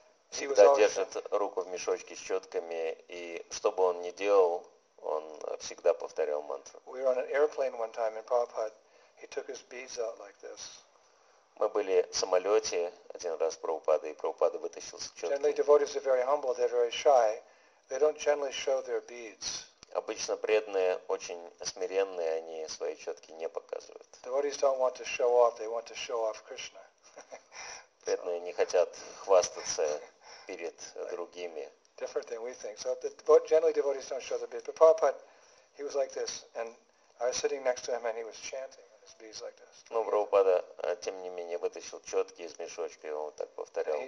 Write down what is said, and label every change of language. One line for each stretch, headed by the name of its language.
Russian: Всегда держит руку в мешочке с четками, и что бы он ни делал, он всегда повторял мантру.
English: We were on an airplane one time, and Prabhupada, he took his beads out like this.
Russian: Мы были в самолете один раз, Прабхупада, и Прабхупада вытащил четки.
English: Generally, devotees are very humble, they're very shy. They don't generally show their beads.
Russian: Обычно преданные очень смиренные, они свои четки не показывают.
English: Devotees don't want to show off, they want to show off Krishna.
Russian: преданные не хотят хвастаться перед другими.
English: Different than we think. So the generally devotees don't show the beads. But Prabhupada, he was like this, and I was sitting next to him, and he was chanting on his beads like this.
Russian: Но Прабхупада, тем не менее, вытащил четки из мешочка, и он так повторял.